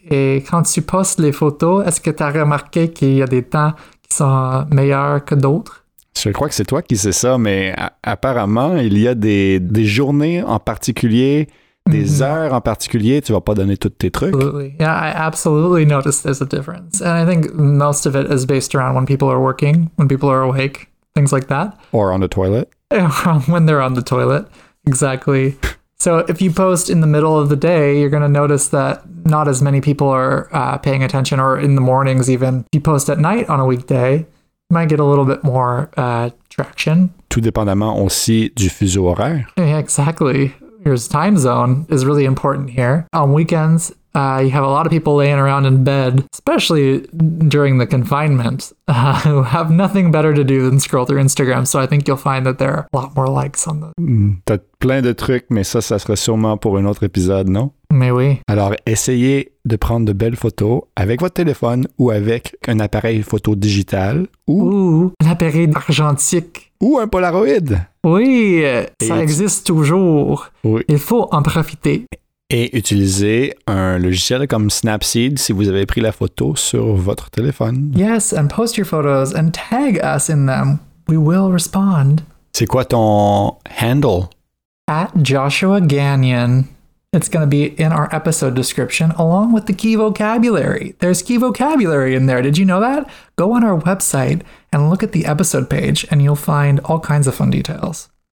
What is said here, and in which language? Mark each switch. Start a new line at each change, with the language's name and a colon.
French: Et quand tu postes les photos, est-ce que tu as remarqué qu'il y a des temps qui sont meilleurs que d'autres? Je crois que c'est toi qui sais ça, mais apparemment, il y a des journées en particulier, des mm-hmm. heures en particulier, tu vas pas donner tous tes trucs.
English: Absolutely. Yeah, I absolutely noticed there's a difference. And I think most of it is based around when people are working, when people are awake, things like that. Or on the toilet. When they're on the toilet, exactly. So if you post in the middle of the day, you're going to notice that not as many people are paying attention, or in the mornings even. If you post at night on a weekday, you might get a little bit more traction.
French: Tout dépendamment aussi du fuseau horaire.
English: Yeah, exactly. Your time zone is really important here. On weekends, you have a lot of people laying around in bed, especially during the confinement, who have nothing better to do than scroll through Instagram. So I think you'll find that there are a lot more likes on the...
French: T'as plein de trucs, mais ça, ça serait sûrement pour un autre épisode, non? Mais oui. Alors, essayez de prendre de belles photos avec votre téléphone ou avec un appareil photo digital ou... Ouh, un appareil argentique. Ou un Polaroid. Oui, ça existe toujours. Oui. Il faut en profiter. Et utiliser un logiciel comme Snapseed si vous avez pris la photo sur votre téléphone.
English: Yes, and post your photos and tag us in them. We will respond.
French: C'est quoi ton handle?
English: At Joshua Gagnon. It's going to be in our episode description along with the key vocabulary. There's key vocabulary in there. Did you know that? Go on our website and look at the episode page and you'll find all kinds of fun details.